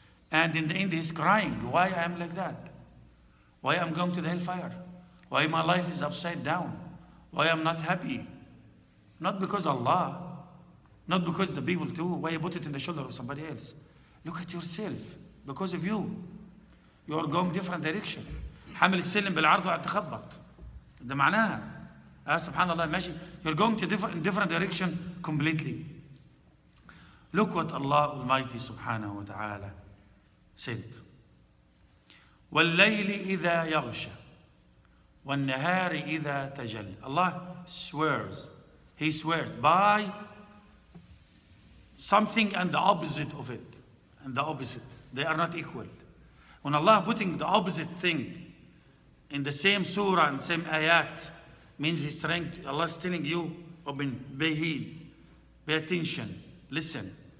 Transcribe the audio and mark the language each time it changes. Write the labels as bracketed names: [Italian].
[English] And in the end, he's crying, why I am like that? Why I'm going to the hellfire? Why my life is upside down? Why I'm not happy? Not because Allah, not because the people too, why you put it in the shoulder of somebody else? Look at yourself, because of you. You are going different direction. [Arabic] حمل السلم بالعرض واتخبط. [English] ده معناها. سبحان الله ماشي. You're going to different direction completely. Look what Allah Almighty سبحانه وتعالى said. [Arabic] والليل إذا يغشى والنهار إذا تجل. [English] Allah swears. He swears by something and the opposite of it. And the opposite. They are not equal. When Allah putting the opposite thing in the same surah and same ayat means He's trying to, Allah is telling you, open, pay heed, pay attention, listen.